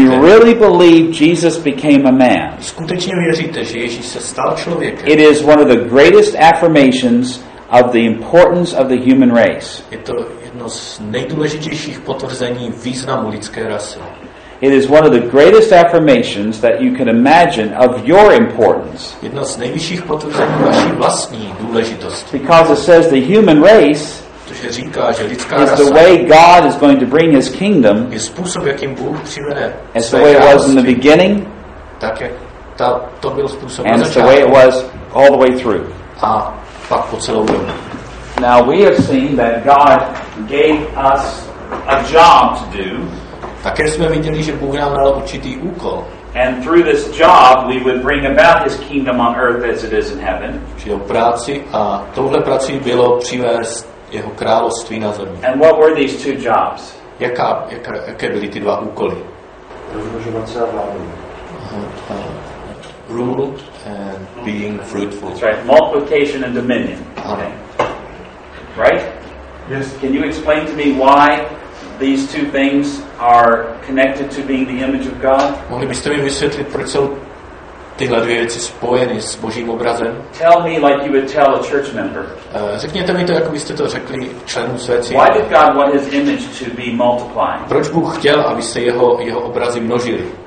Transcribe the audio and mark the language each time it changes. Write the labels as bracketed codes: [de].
[en] when you really believe Jesus became a man, [cs] skutečně věříte, že Ježíš se stal člověkem, [en] it is one of the greatest affirmations of the importance of the human race. [cs] Je to jedno z nejdůležitějších potvrzení významu lidské rasy. [en] It is one of the greatest affirmations that you can imagine of your importance. [cs] Jedno z nejvyšších potvrzení vaší vlastní důležitosti. [en] Because it says the human race. [cs] Že říká, že lidská rasa, [en] the way God is going to bring his kingdom, [cs] je způsob, jakým Bůh přivede [en] as the way it was in the beginning, [cs] tak jak to byl způsob [en] and the way it was all the way through. [cs] A pak po celou dobu. [en] Now we have seen that God gave us a job to do. [cs] Také jsme viděli, že Bůh nám dal určitý úkol. [en] And through this job we would bring about his kingdom on earth as it is in heaven. [cs] Jeho práci a touhle prací bylo přivést jeho království na zemi. [en] And what were these two jobs? [cs] Jaké byly ty dva úkoly? Rozmnožovat se a vládnout. [en] Rule and being fruitful. That's right. Multiplication and dominion. Okay. Right? Yes. Can you explain to me why these two things are connected to being the image of God? [cs] Mohli byste mi vysvětlit, proč jsou tyhle dvě věci spojeny s Božím obrazem? [en] Tell me like you would tell a church member. [cs] Řekněte mi to, jako byste to řekli členům své církve. [en] Why did God want his image to be multiplying? [cs] Proč Bůh chtěl, aby se jeho obrazy množily?